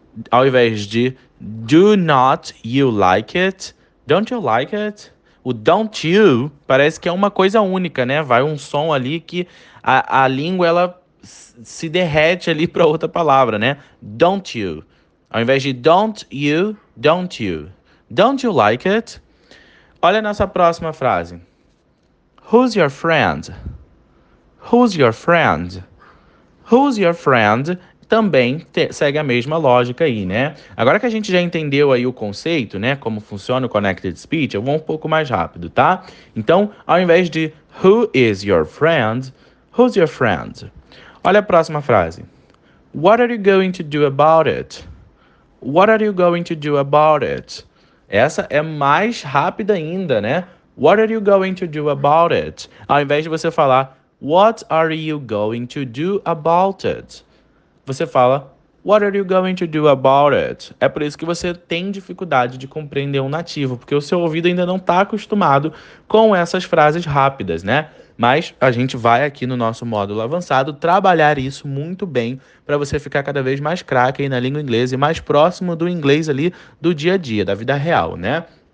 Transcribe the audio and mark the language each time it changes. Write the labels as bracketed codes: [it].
[pt] Ao invés de [en] Do not you like it? Don't you like it? [pt] O [en] don't you [pt] parece que é uma coisa única, né? Vai um som ali que a língua ela se derrete ali para outra palavra, né? [en] Don't you. [pt] Ao invés de [en] don't you, don't you. Don't you like it? [pt] Olha a nossa próxima frase. [en] Who's your friend? Who's your friend? Who's your friend? [pt] também segue a mesma lógica aí, né? Agora que a gente já entendeu aí o conceito, né, como funciona o Connected Speech, eu vou um pouco mais rápido, tá? Então, ao invés de [en] Who is your friend? Who's your friend? [pt] Olha a próxima frase. [en] What are you going to do about it? What are you going to do about it? [pt] Essa é mais rápida ainda, né? [en] What are you going to do about it? [pt] Ao invés de você falar [en] What are you going to do about it? [pt] Você fala [en] What are you going to do about it? [pt] É por isso que você tem dificuldade de compreender um nativo, porque o seu ouvido ainda não está acostumado com essas frases rápidas, né? Mas a gente vai aqui no nosso módulo avançado trabalhar isso muito bem para você ficar cada vez mais craque aí na língua inglesa e mais próximo do inglês ali do dia a dia, da vida real, né?